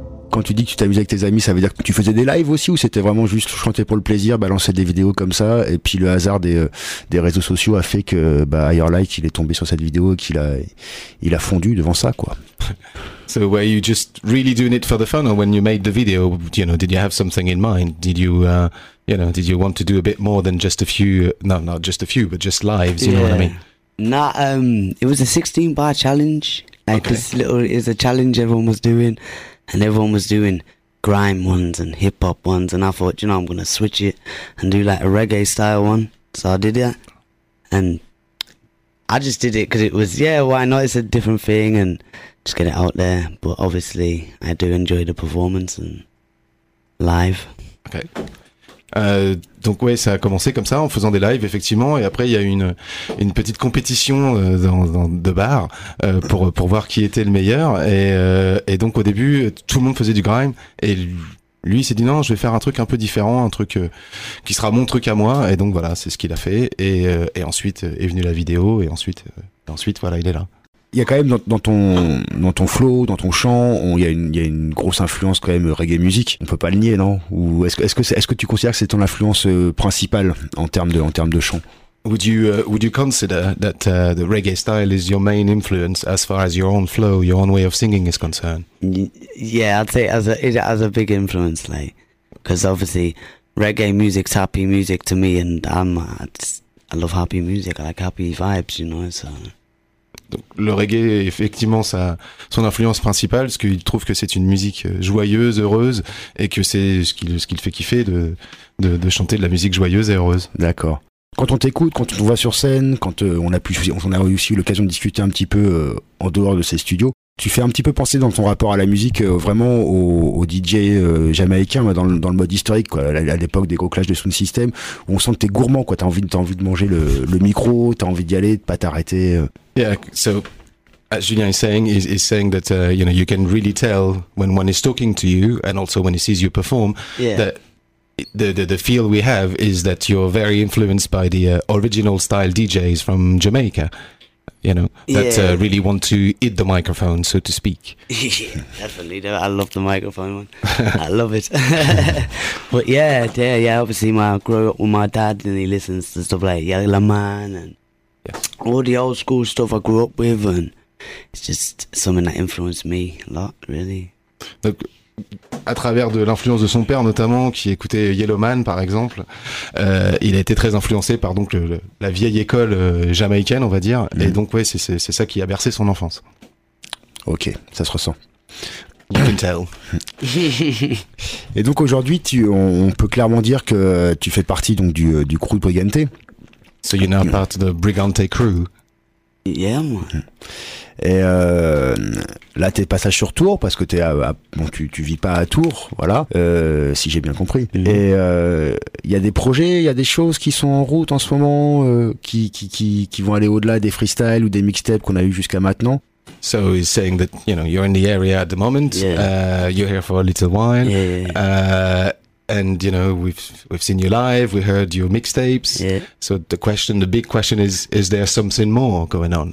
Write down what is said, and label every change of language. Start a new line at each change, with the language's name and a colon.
French: Quand tu dis que tu t'amusais avec tes amis, ça veut dire que tu faisais des lives aussi, ou c'était vraiment juste chanter pour le plaisir, balancer des vidéos comme ça, et puis le hasard des réseaux sociaux a fait que Higher Light, il est tombé sur cette vidéo et qu'il a fondu devant ça, quoi.
English: So were you just really doing it for the fun, or when you made the video, you know, did you have something in mind? Did you, you know, did you want to do a bit more than just a few, no, not just a few, but just lives, you know what I mean? Nah, it was a 16-bar challenge, like this little, it was a challenge everyone was doing. And everyone was doing grime ones and hip-hop ones, and I thought, you know, I'm gonna switch it and do like a reggae-style one. So I did that, and I just did it because it was, yeah, why not? It's a different thing, and just get it out there. But obviously, I do enjoy the performance and live. Okay.
French: Donc ouais, ça a commencé comme ça en faisant des lives effectivement, et après il y a eu une petite compétition de bar pour voir qui était le meilleur, et donc au début tout le monde faisait du grime et lui il s'est dit non, je vais faire un truc un peu différent, un truc qui sera mon truc à moi, et donc voilà, c'est ce qu'il a fait, et ensuite est venue la vidéo, et ensuite voilà, il est là. Il y a quand même dans ton flow, dans ton chant, il y a une grosse influence quand même reggae musique. On peut pas le nier, non? Ou est-ce que tu considères que c'est ton influence principale en termes de chant?
English: Would you consider that the reggae style is your main influence as far as your own flow, your own way of singing is concerned? Yeah, I'd say it has a big influence, like, because obviously reggae music's happy music to me, and I love happy music, I like happy vibes, you know, so.
French: Donc, le reggae, effectivement, ça, son influence principale, parce qu'il trouve que c'est une musique joyeuse, heureuse, et que c'est ce qu'il fait kiffer de chanter de la musique joyeuse et heureuse. D'accord. Quand on t'écoute, quand on te voit sur scène, quand on a aussi eu l'occasion de discuter un petit peu en dehors de ces studios, tu fais un petit peu penser dans ton rapport à la musique vraiment au DJ jamaïcain, dans le mode historique, quoi, à l'époque des gros clashs de Sound System, où on sent que t'es gourmand, quoi, t'as envie de manger le micro, t'as envie d'y aller, de pas t'arrêter.
English: Yeah, so as Julien is saying, he's saying that you know, you can really tell when one is talking to you, and also when he sees you perform, yeah, that the feel we have is that you're very influenced by the original style DJs from Jamaica, you know, that yeah. Really want to eat the microphone, so to speak. Yeah, definitely, I love the microphone one. I love it. But yeah. Obviously, grew up with my dad, and he listens to stuff like Yael La Man and. Yeah. All the old school stuff I grew up with, and it's just something that influenced me a lot, really.
French: Donc, à travers de l'influence de son père, notamment, qui écoutait Yellow Man, par exemple, il a été très influencé par donc la vieille école jamaïcaine, on va dire. Mm-hmm. Et donc, ouais, c'est ça qui a bercé son enfance. Ok, ça se ressent.
English: You can tell.
French: Et donc, aujourd'hui, on peut clairement dire que tu fais partie donc du crew de Brigante.
English: So you're now part of the Brigante crew. Yeah, moi.
French: Et là, t'es passage sur Tours, parce que t'es tu vis pas à Tours, voilà, si j'ai bien compris. Mm-hmm. Et il y a des projets, il y a des choses qui sont en route en ce moment, qui vont aller au-delà des freestyles ou des mixtapes qu'on a eu jusqu'à maintenant.
English: So he's saying that, you know, you're in the area at the moment, yeah. You're here for a little while. Yeah. And you know, we've seen you live, we heard your mixtapes. Yeah. So the big question is there something more going on?